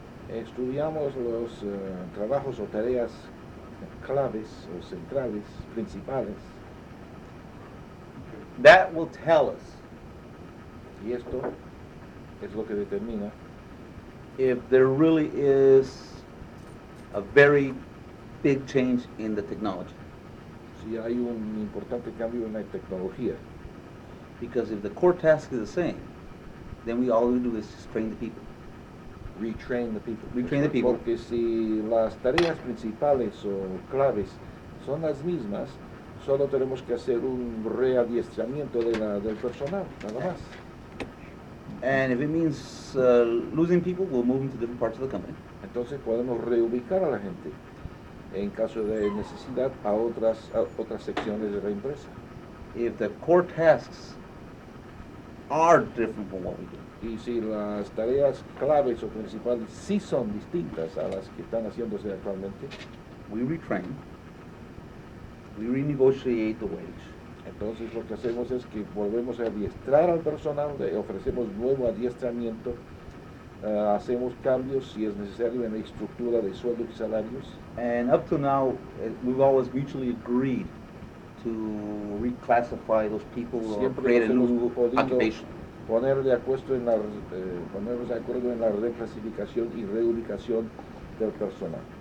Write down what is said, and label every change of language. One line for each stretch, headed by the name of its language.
Spanish: Estudiamos los trabajos o tareas claves o centrales, principales.
English: That will tell us.
Spanish: Y esto es lo que determina.
English: If there really is a very big change in the technology.
Spanish: Si hay un importante cambio en la tecnología.
English: Because if the core task is the same, then we all we do is just train the people. Retrain the people.
Spanish: Porque si las tareas principales o claves son las mismas, solo tenemos que hacer un readiestramiento del personal, nada más.
English: And if it means losing people, we'll move them to different parts of the company.
Spanish: Entonces podemos reubicar a la gente, en caso de necesidad, a otras secciones de la empresa.
English: If the core tasks are different from what we do.
Spanish: Y si las tareas claves o principales sí son distintas a las que están haciéndose actualmente,
English: we retrain, we renegotiate the wage.
Spanish: Entonces lo que hacemos es que volvemos a adiestrar al personal, ofrecemos nuevo adiestramiento, hacemos cambios si es necesario en la estructura de sueldos y salarios.
English: And up to now, we've always mutually agreed to reclassify those people
Spanish: siempre
English: or create a new occupation.
Spanish: Ponernos de acuerdo en la reclasificación y reubicación del personal.